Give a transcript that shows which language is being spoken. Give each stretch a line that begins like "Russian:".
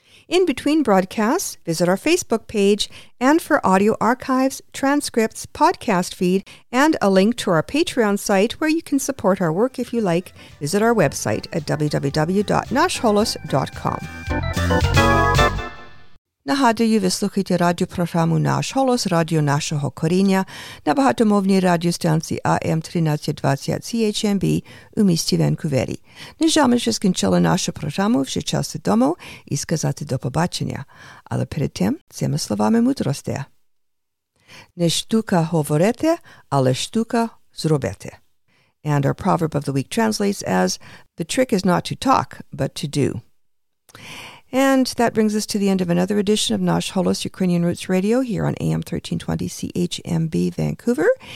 English: In between broadcasts, visit our Facebook page, and for audio archives, transcripts, podcast feed, and a link to our Patreon site where you can support our work if you like, visit our website at www.nashholos.com.
Ukrainian: Нагадую, ви слухаєте радіопрограму «Наш Голос», радіо нашого коріння на багатомовній радіостанції АМ 1320 CHMB у місті Ванкувері. Нежами вже скінчили нашу програму, вже час дому і сказати до побачення. Але перед тим, цими словами мудрості. Не штука говорите, але штука зробите.
English: And our proverb of the week translates as, the trick is not to talk, but to do. And that brings us to the end of another edition of Nash Holos Ukrainian Roots Radio here on AM 1320 CHMB Vancouver.